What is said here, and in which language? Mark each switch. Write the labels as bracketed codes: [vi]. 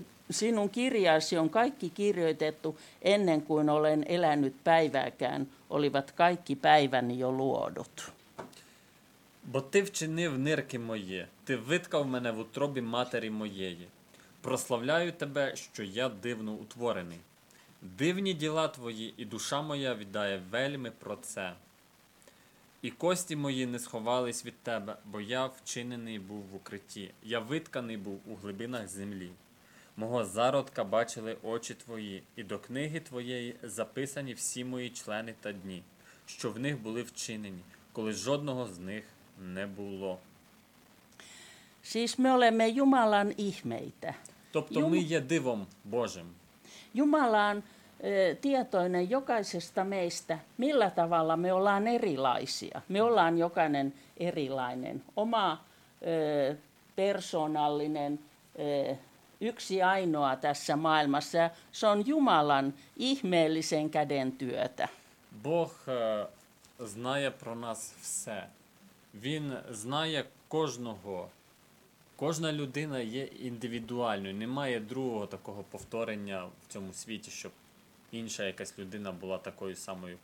[fi] Sinun kirjaasi on kaikki kirjoitettu ennen kuin olen elänyt päivääkään, olivat kaikki päiväni jo luodut. [uk] Бо ти вчинив нирки моє, ти виткав мене в утробі матері моєї. Прославляю тебе, що я дивно утворений. Дивні діла твої, і душа моя віддає вельми про це. І кості мої не сховались від тебе, бо я вчинений був в укритті, я витканий був у глибинах землі. Мого зародка бачили очі твої, і до книги твоєї записані всі мої члени та дні, що в них були вчинені, коли жодного з них не було. [fi] Siis me olemme Jumalan ihmeitä. [uk] Тобто ми є дивом Божим. [fi] Jumala on tietoinen jokaisesta meistä, millä tavalla me ollaan erilaisia. Me ollaan jokainen erilainen, oma persoonallinen yksi ainoa tässä maailmassa, se on Jumalan ihmeellisen käden työtä. [uk] Бог знає про нас все. Він знає кожного, Кожна людина є індивідуальною. Немає другого такого повторення в цьому світі, щоб інша якась людина була такою самою.